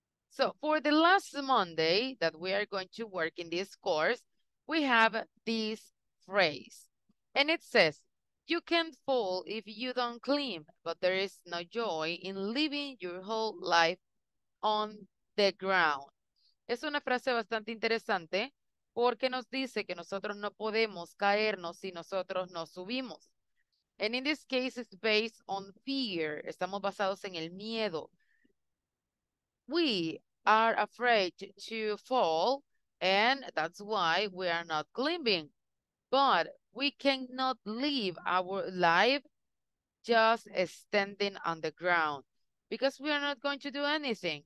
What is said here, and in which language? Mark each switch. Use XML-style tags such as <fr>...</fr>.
<en>So for the last Monday that we are going to work in this course, we have this phrase, and it says, you can fall if you don't climb, but there is no joy in living your whole life on the ground.</en> <es>Es una frase bastante interesante porque nos dice que nosotros no podemos caernos si nosotros no subimos.</es> <en>And in this case, it's based on fear.</en> <es>Estamos basados en el miedo.</es> <en>We are afraid to fall, and that's why we are not climbing. But we cannot live our life just standing on the ground, because we are not going to do anything.</en>